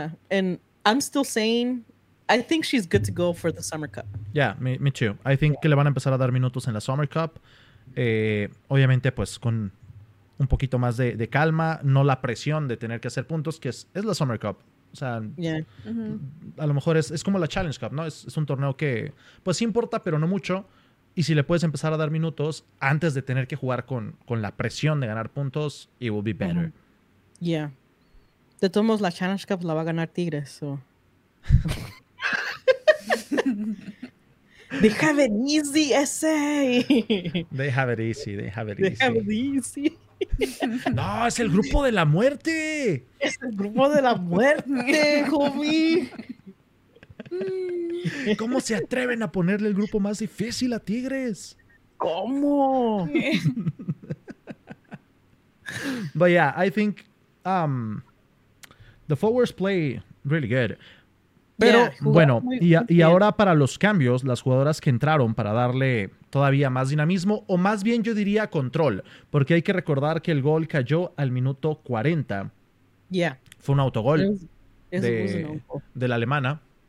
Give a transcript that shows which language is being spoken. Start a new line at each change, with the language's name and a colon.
English: And I'm still saying, I think she's good to go for the Summer Cup. Me too. I think
Spanish: que le van a empezar a dar minutos en la Summer Cup. Obviamente, pues con un poquito más de calma, no la presión de tener que hacer puntos, que es la Summer Cup. A lo mejor es como la Challenge Cup, ¿no? Es un torneo que, pues sí importa, pero no mucho. Y si le puedes empezar a dar minutos antes de tener que jugar con la presión de ganar puntos,
English: it will be better.
Spanish: De todos modos, la Challenge Cup la va a ganar Tigres.
English: They have an easy essay. They have it easy.
Spanish: No, es el grupo de la muerte. Es el grupo de la muerte, homie. ¿Cómo se atreven a ponerle el grupo más difícil a Tigres? ¿Cómo?
English: But I think the forwards play really good.
Spanish: Pero y ahora para los cambios, las jugadoras que entraron para darle todavía más dinamismo, o más bien yo diría control, porque hay que recordar que el gol cayó al minuto 40. Fue un autogol de la alemana.